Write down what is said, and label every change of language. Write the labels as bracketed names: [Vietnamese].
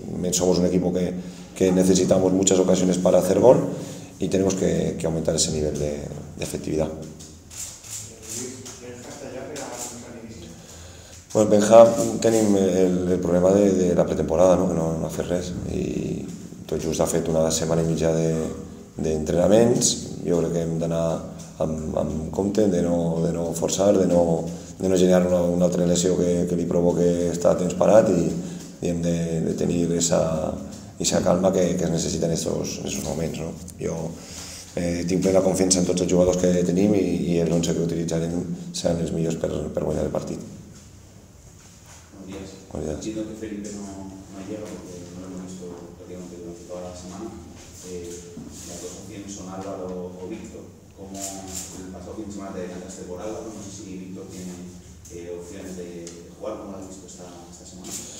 [Spanish] Somos un equipo que necesitamos muchas ocasiones para hacer gol y tenemos que aumentar ese nivel de efectividad. Bueno, Benja tiene el problema de la pretemporada, ¿no? Que no hace res. [Catalan] Y tot just ha fet una setmana i mitja de entrenaments. Jo crec que hem d'anar amb compte de no forçar, de no generar una altra lesió que li provoque estar a temps parat, i hem de tenir esa calma que es necessita en esos moments, ¿no? Jo tinc plena confiança en tots els jugadors que tenim i els 11 que utilitzarem seran els millors per guanyar el partit. [Spanish] Buenos días. Entiendo que Felipe no llega porque no lo hemos visto prácticamente durante toda la semana. Las dos opciones son Álvaro o Víctor. ¿Cómo el pasado fin de semana te adelantaste por Álvaro? No sé si Víctor tiene opciones de jugar. ¿Cómo lo has visto esta semana?